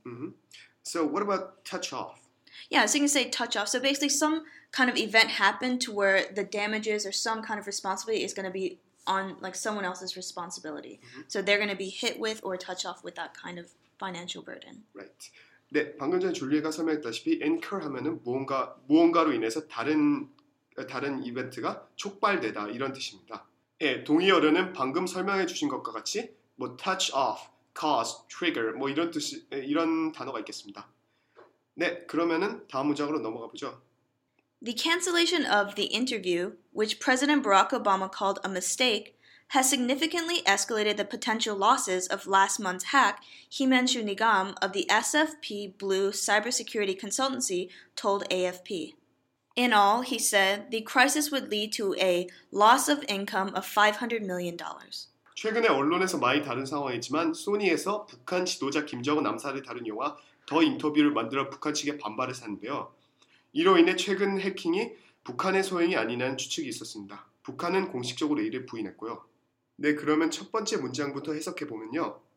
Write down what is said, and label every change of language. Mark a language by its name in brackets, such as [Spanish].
[English] Mm-hmm. So what about touch off? Yeah, so you can say touch off. So basically some kind of event happened to where the damages or some kind of responsibility is going to be on like someone else's responsibility. Mm-hmm. So they're going to be hit with or touch off with that kind of financial burden. Right. [Korean] 네, 방금 전에 줄리에가 설명했다시피 incur 하면은 무언가로 인해서 다른 이벤트가 촉발되다 이런 뜻입니다. 예, 동의어는 방금 설명해 주신 것과 같이 뭐 touch off, cause, trigger 뭐 이런 단어가 있겠습니다. 네, 그러면은 다음 문장으로 넘어가 보죠. [English] The cancellation of the interview, which President Barack Obama called a mistake, has significantly escalated the potential losses of last month's hack, Himanshu Nigam of the SFP Blue cybersecurity consultancy told AFP. In all, he said, the crisis would lead to a loss of income of $500 million. [Korean] 최근에 언론에서 많이 다룬 상황이지만 소니에서 북한 지도자 김정은 암살을 다룬 영화 더 인터뷰를 만들어 북한 측에 반발을 샀는데요. 이로 인해 최근 해킹이 북한의 소행이 아니냐는 추측이 있었습니다. 북한은 공식적으로 이를 부인했고요. 네, 그러면 첫 번째 문장부터 해석해보면요.